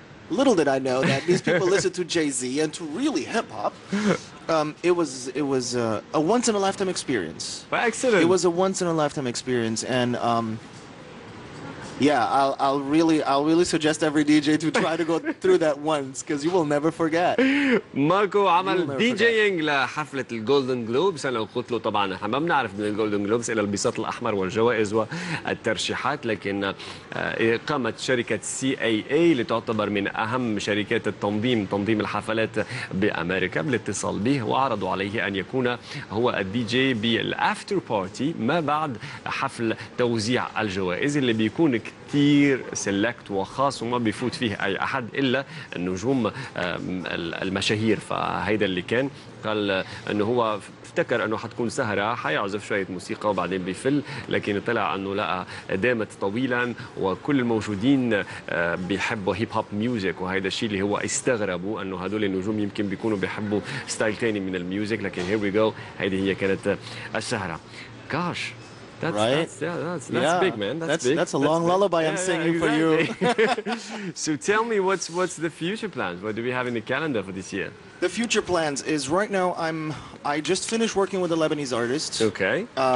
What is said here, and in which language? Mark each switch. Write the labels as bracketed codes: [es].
[en] Little did I know that these people listen to Jay-Z and to really hip-hop. It was a once-in-a-lifetime experience. By accident. It was a once-in-a-lifetime experience. And... yeah, I'll really suggest every DJ to try to go through that once, because you will never forget. [ar] ماركو عمل DJing لحفلة الGolden Globes. أنا قلت له طبعاً إحنا ما بنعرف من الGolden Globes إلى البساط الأحمر والجوائز والترشيحات, لكن قامت شركة CAA لتعتبر من أهم شركات التنظيم تنظيم الحفلات بأمريكا بالاتصال به, وعرضوا عليه أن يكون هو DJ بالAfter Party ما بعد حفل توزيع الجوائز اللي بيكون كتير سيلكت وخاص وما بيفوت فيه أي أحد إلا النجوم المشاهير. فهيدا اللي كان قال أنه هو افتكر أنه حتكون سهرة حيعزف شوية موسيقى وبعدين بيفل, لكن طلع أنه لقى دامت طويلا وكل الموجودين بيحبوا هيب هوب ميوزك, وهيدا الشيء اللي هو استغربوا أنه هدول النجوم يمكن بيكونوا بيحبوا ستايل تاني من الميوزك, لكن [en] here we go, [ar] هيدا هي كانت السهرة. [en] Gosh, That's big, man. That's a long lullaby I'm singing for you. So tell me, what's the future plans? What do we have in the calendar for this year? The future plans is right now I just finished working with a Lebanese artist. Okay.